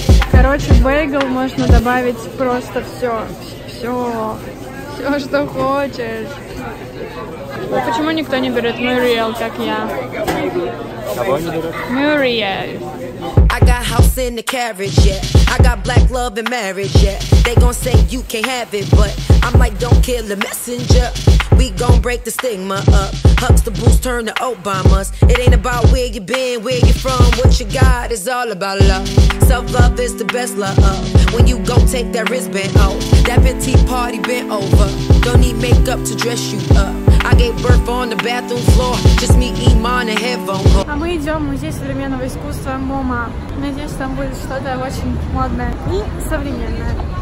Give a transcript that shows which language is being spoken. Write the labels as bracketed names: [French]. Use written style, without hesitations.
[Russian] Короче, в бейгл можно добавить просто все, все, все, что хочешь. Почему никто не берет Мюриэл, как я? Мюриэл. [English] I got house in the carriage, yeah. I got black love and marriage, yeah. They gon' say you can't have it, but I'm like, don't kill the messenger. We gon' break the stigma up. Huxtables turn to Obamas. It ain't about where you been, where you from. What you got is all about love. Self-love is the best love. When you go take that wristband off, that Fenty party bent over. Don't need makeup to dress you up. I gave birth on the bathroom floor. Just me, Iman, and headphone call. [Russian] А мы идем в музей современного искусства MoMA. Надеюсь, там будет что-то очень модное и современное.